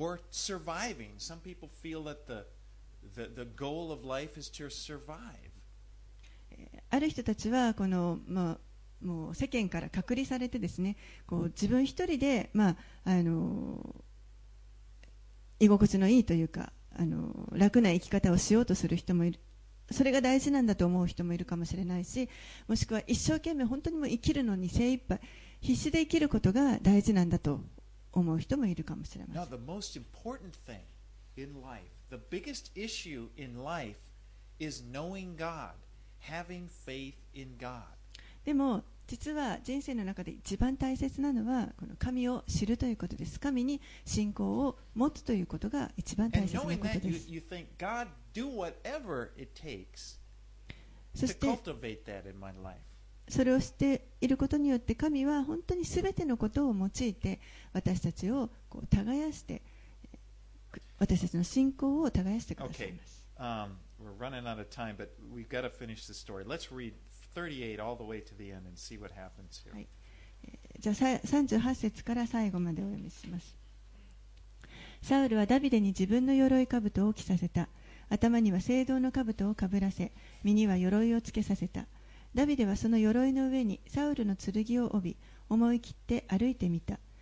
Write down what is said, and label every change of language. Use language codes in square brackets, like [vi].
[en] Some people feel that the goal of life is to survive. [ja] ある人たちはこの、まあ、もう世間から隔離されてですね、こう自分一人で、まあ、居心地のいいというか、楽な生き方をしようとする人もいる。それが大事なんだと思う人もいるかもしれないし、もしくは一生懸命本当にも生きるのに精一杯、必死で生きることが大事なんだと思う人もいるかもしれません。 [en] Now, the most important thing in life, the biggest issue in life is knowing God, having faith in God. [ja] でも実は人生の中で一番大切なのはこの神を知るということです。神に信仰を持つということが一番大切なことです。 [en] You think, God, do whatever it takes to cultivate that in my life. [ja] それを知っていることによって神は本当にすべてのことを用いて私たちをこう耕して、私たちの信仰を耕してくださいます。 [en] Okay. We're running out of time, but we've got to finish the story. Let's read 38 all the way to the end and see what happens here. [ja] はい。じゃあ38節から最後までお読みします。サウルはダビデに自分の鎧兜を着させた。頭には青銅の兜をかぶらせ、身には鎧をつけさせた。ダビデはその鎧の上にサウルの剣を帯び、思い切って歩いてみた。